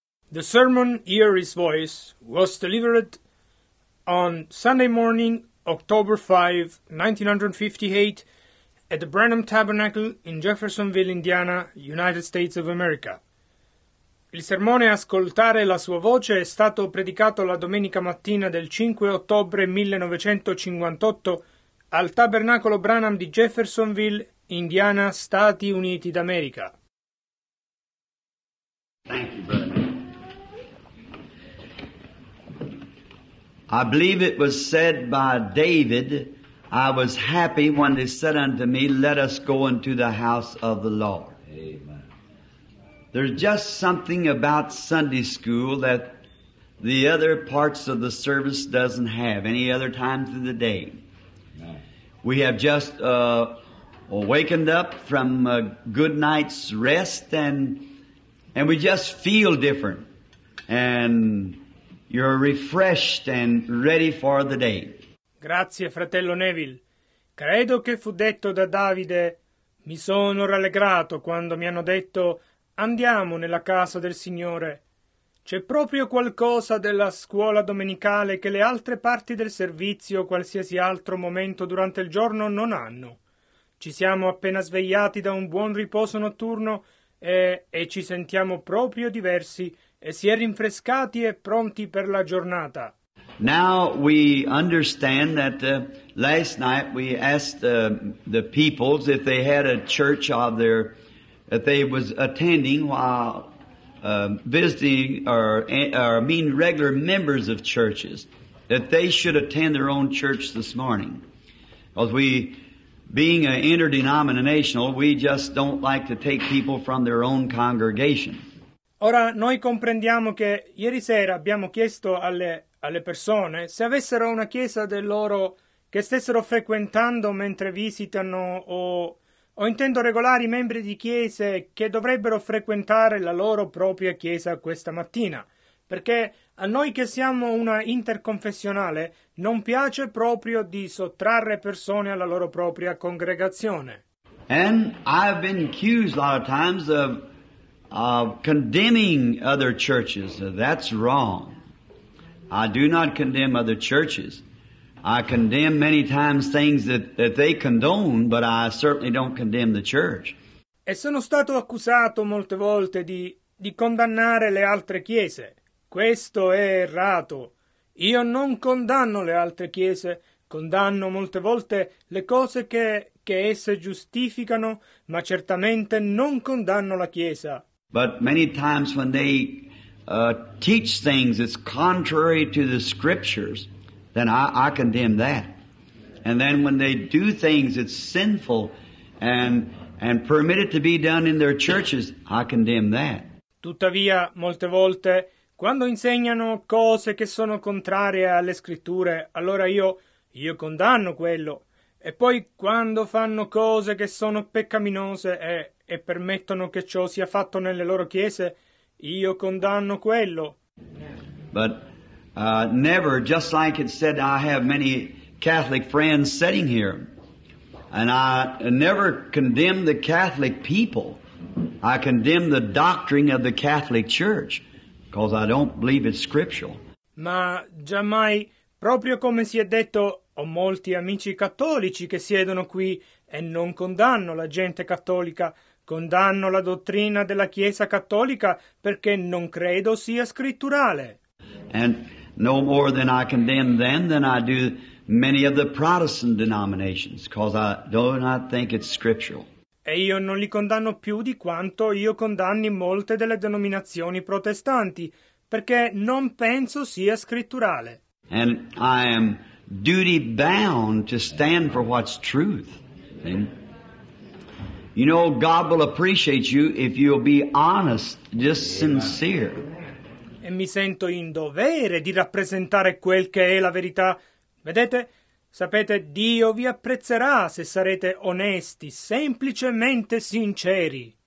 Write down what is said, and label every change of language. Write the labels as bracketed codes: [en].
[en] The sermon, Hear His Voice, was delivered on Sunday morning, October 5, 1958, at the Branham Tabernacle in Jeffersonville, Indiana, United States of America. [it] Il sermone Ascoltare la sua voce è stato predicato la domenica mattina del 5 ottobre 1958 al Tabernacolo Branham di Jeffersonville, Indiana, Stati Uniti d'America. [en] Thank you, brother. I believe it was said by David, I was happy when they said unto me, let us go into the house of the Lord. Amen. There's just something about Sunday school that the other parts of the service doesn't have any other times of the day. Amen. We have just awakened up from a good night's rest and we just feel different. And you're refreshed and ready for the day. [it] Grazie, fratello Neville. Credo che fu detto da Davide, mi sono rallegrato quando mi hanno detto, andiamo nella casa del Signore. C'è proprio qualcosa della scuola domenicale che le altre parti del servizio o qualsiasi altro momento durante il giorno non hanno. Ci siamo appena svegliati da un buon riposo notturno e ci sentiamo proprio diversi e si è rinfrescati e pronti per la giornata. [en] Now we understand that last night we asked the peoples if they had a church of their, if they was attending while visiting or mean regular members of churches, that they should attend their own church this morning. Because we, being an interdenominational, we just don't like to take people from their own congregation. [it] Ora, noi comprendiamo che ieri sera abbiamo chiesto alle persone se avessero una chiesa del loro che stessero frequentando mentre visitano o intendo regolari membri di chiese che dovrebbero frequentare la loro propria chiesa questa mattina. Perché a noi che siamo una interconfessionale non piace proprio di sottrarre persone alla loro propria congregazione. [en] And I've been accused a lot of times of condemning other churches. That's wrong. I do not condemn other churches. I condemn many times things that they condone, but I certainly don't condemn the church. [it] E sono stato accusato molte volte di condannare le altre chiese. Questo è errato. Io non condanno le altre chiese. Condanno molte volte le cose che esse giustificano, ma certamente non condanno la chiesa. [en] But many times when they teach things that's contrary to the scriptures, then I condemn that. And then when they do things that's sinful and permit it to be done in their churches, I condemn that. [it] Tuttavia, molte volte, quando insegnano cose che sono contrarie alle scritture, allora io condanno quello. E poi quando fanno cose che sono peccaminose e permettono che ciò sia fatto nelle loro chiese, io condanno quello. [en] But never, just like it said, I have many Catholic friends sitting here, and I never condemn the Catholic people. I condemn the doctrine of the Catholic Church, because I don't believe it's scriptural. [it] Ma giammai, proprio come si è detto, ho molti amici cattolici che siedono qui e non condanno la gente cattolica. Condanno la dottrina della Chiesa Cattolica perché non credo sia scritturale. [en] And no more than I condemn them than I do many of the Protestant denominations, because I do not think it's scriptural. [it] E io non li condanno più di quanto io condanni molte delle denominazioni protestanti, perché non penso sia scritturale. [en] And I am duty bound to stand for what's truth. And you know, God will appreciate you if you'll be honest, just sincere. [it] E mi sento in dovere di rappresentare quel che è la verità. Vedete? Sapete, Dio vi apprezzerà se sarete onesti, semplicemente sinceri.